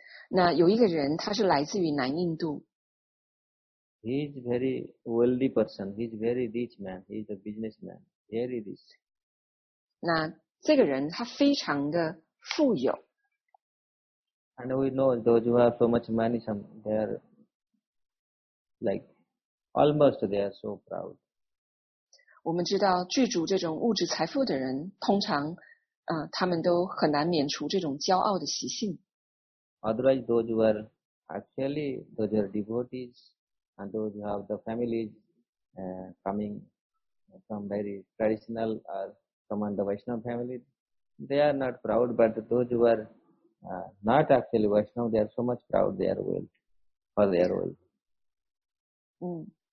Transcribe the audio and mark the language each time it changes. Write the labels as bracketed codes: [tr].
[zh] 那有一个人，他是来自于南印度。 [en] He is very wealthy person. He is very rich man. He is a businessman. Very rich. [zh] 那这个人他非常的富有。 [en] And we know those who have so much money, they are like almost they are so proud. [zh] 我们知道具足这种物质财富的人，通常他们都很难免除这种骄傲的习性。 [en] Otherwise, those who are actually those are devotees. And those who have the families coming from very traditional or from the Vaishnava family, they are not proud. But those who are not actually Vaishnava, they are so much proud they are wealth for their wealth.